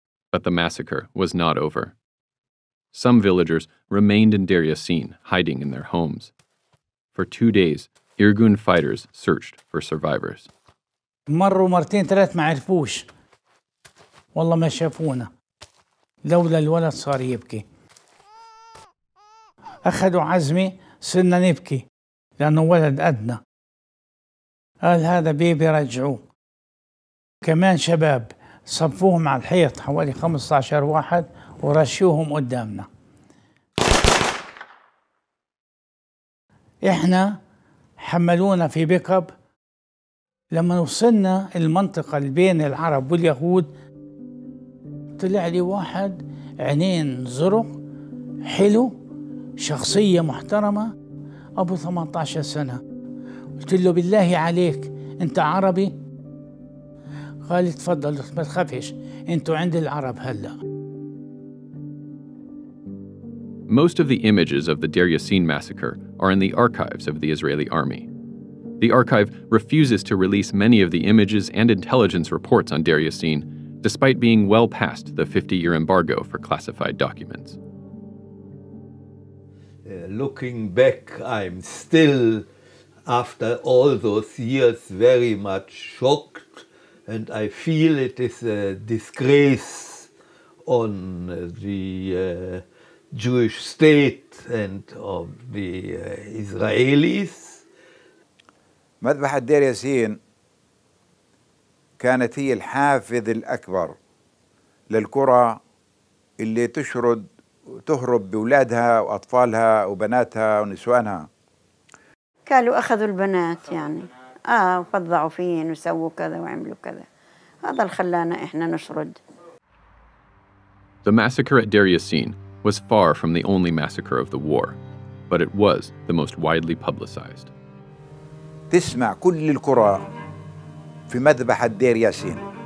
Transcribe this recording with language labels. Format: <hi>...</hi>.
<en>But the massacre was not over. Some villagers remained in Deir Yassin, hiding in their homes. For 2 days, Irgun fighters searched for survivors.</en> <ar>مروا مرتين ثلاث ما عرفوش. والله ما شافونا. لولا الولد صار يبكي. أخذوا عزمي صرنا نبكي لأنه ولد أدنى. قال هذا بيبي رجعوه. كمان شباب صفوهم على الحيط حوالي 15 واحد ورشوهم قدامنا. إحنا حملونا في بيكب. لما وصلنا المنطقة بين العرب واليهود طلع لي واحد عينين زرق حلو شخصية محترمة أبو 18 سنة. قلت له بالله عليك أنت عربي؟ قال تفضل ما تخافش أنتوا عند العرب هلا.</ar> <en>Most of the images of the Deir Yassin massacre are in the archives of the Israeli army. The archive refuses to release many of the images and intelligence reports on Deir Yassin, despite being well past the 50-year embargo for classified documents. Looking back, I'm still, after all those years, very much shocked, and I feel it is a disgrace on the Jewish state and of the Israelis.</en> <ar>مذبحة دير ياسين كانت هي الحافز الأكبر للكرة اللي تشرد وتهرب بولادها وأطفالها وبناتها ونسوانها. قالوا أخذوا البنات يعني. وفضعوا فين وسووا كذا وعملوا كذا. هذا اللي خلانا إحنا نشرد.</ar> <en>The massacre at Deir Yassin was far from the only massacre of the war, but it was the most widely publicized.</en> <ar>تسمع كل الكرة في مذبحة دير ياسين.</ar>